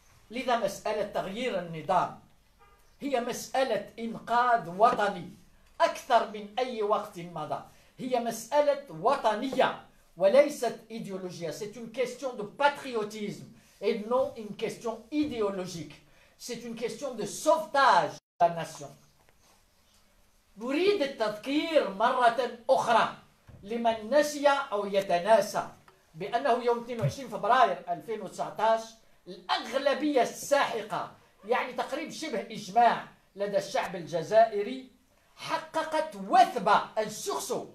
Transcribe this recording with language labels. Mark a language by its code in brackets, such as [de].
[ar] لذا مسألة تغيير النظام هي مسألة إنقاذ وطني أكثر من أي وقت مضى، هي مسألة وطنية وليست إيديولوجية. [fr] C'est une question de patriotisme et non une question idéologique. C'est une question de sauvetage de la nation. [ar] نريد التذكير مرة أخرى لمن نسي أو يتناسى بأنه يوم 22 فبراير 2019 الأغلبية الساحقة، يعني تقريب شبه إجماع لدى الشعب الجزائري، حققت وثبة الشخص